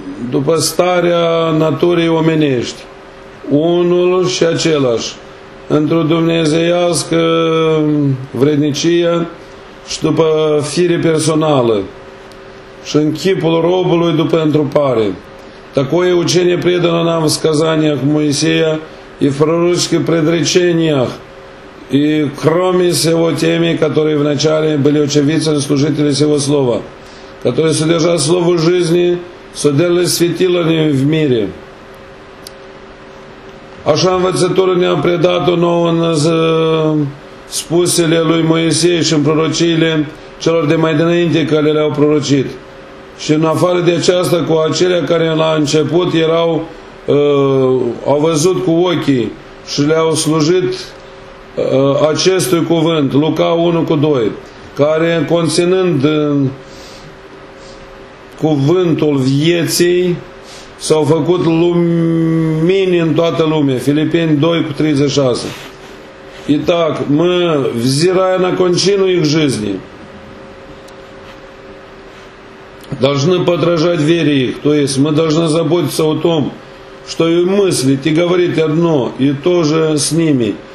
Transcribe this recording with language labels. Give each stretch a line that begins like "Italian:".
Romanian: după starea naturii omenești, unul și același, într-o dumnezeiască vrednicie și după fire personală, și în chipul robului după întrupare.
Russian: Такое учение предано нам в сказаниях Моисея и в пророческих предречениях, и кроме всего теми, которые вначале были очевидцами служителей всего слова, которые содержат слово жизни, содержали светило в мире.
Romanian: Așa învățătură ne-a predat-o nouă în spusele lui Moisei și în prorociile celor de mai dinainte care le-au prorocit. Și în afară de aceasta, cu acelea care la început erau, au văzut cu ochii și le-au slujit acestui cuvânt, Luca 1:2, care conținând cuvântul vieții, s-au făcut lumini în toată lumea. Filipeni 2:36.
Russian: И так, мы, взирая на кончину их жизни, должны подражать вере их. То есть мы должны заботиться о том, что и мыслить, и говорить одно, и то же с ними.